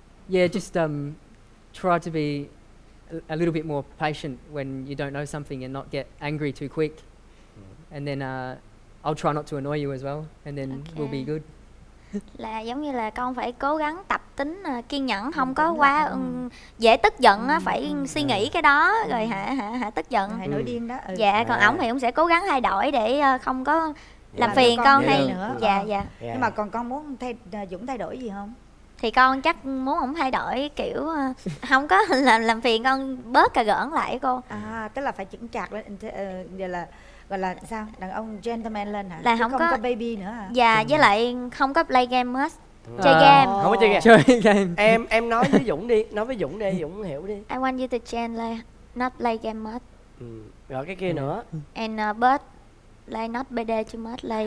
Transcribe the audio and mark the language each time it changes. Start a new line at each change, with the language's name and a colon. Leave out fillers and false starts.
English: Yeah, just try to be a little bit more patient when you don't know something and not get angry too quick. And then I'll try not to annoy you as well and then okay. We'll be good.
Vietnamese: Là giống như là con phải cố gắng tập tính kiên nhẫn, không có quá dễ tức giận á, phải suy nghĩ cái đó rồi hả tức giận. Hay nổi điên đó. Dạ còn ổng thì ổng sẽ cố gắng thay đổi để không có làm phiền con hay nữa. Dạ dạ. Nhưng mà còn con muốn Dũng thay đổi gì không? Thì con chắc muốn ổng thay đổi kiểu không có làm phiền con, bớt cà gỡn lại cô. À tức là phải chững chạc lên, gọi là sao, đàn ông gentleman lên hả? Là không có baby nữa hả? Dạ với lại không có play game hết. Chơi game. Không có chơi game. Chơi game. Em nói với Dũng đi, nói với Dũng đi, Dũng hiểu đi.
English: I want you to gently not play game much.
Vietnamese: Rồi cái kia nữa.
English: And but like not bd too much like